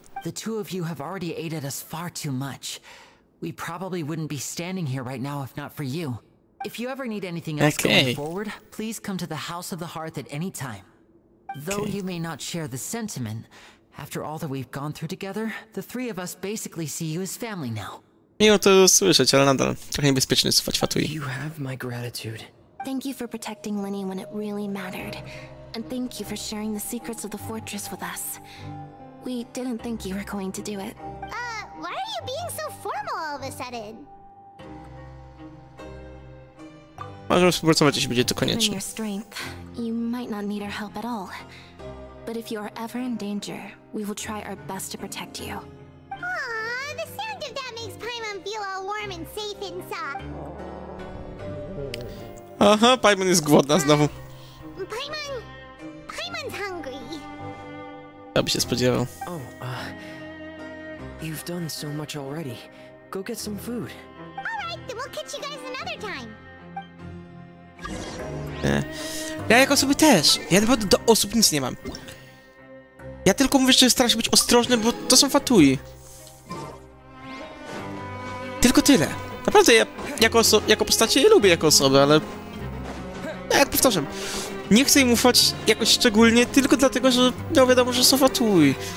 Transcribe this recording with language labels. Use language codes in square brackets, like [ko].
[en] The two of you have already aided us far too much. We probably wouldn't be standing here right now if not for you. If you ever need anything else going forward, please come to the House of the Hearth at any time. Though you may not share the sentiment, after all that we've gone through together, the three of us basically see you as family now. [pl] Miło to słyszeć, ale nadal trochę niebezpieczny jest słuchać Fatui. [en] You have my gratitude. Thank you for protecting Linny when it really mattered. And thank you for sharing the secrets of the fortress with us. We didn't think you were going to do it. Why are you being so formal all of a sudden? [pl] Możemy współpracować, jeśli będzie to konieczne. [en] Your strength, you might not need our help at all. But if you are ever in danger, we will try our best to protect you. Aww, the sound of that makes Paimon feel all warm and safe inside. [pl] Aha, Paimon jest głodna znowu. [en] Paimon's hungry. [pl] Ja by się spodziewał. [en] You've done so much already. Go get some food. All right, then we'll catch you guys another time. [pl] Ja jak osoby też. Ja naprawdę do osób nic nie mam. Ja tylko mówię, że staram się być ostrożny, bo to są Fatui. Tylko tyle. Naprawdę ja jako jako postacie je lubię jako osoby, ale... Ja jak powtarzam, nie chcę im ufać jakoś szczególnie, tylko dlatego, że no wiadomo, że są Fatui.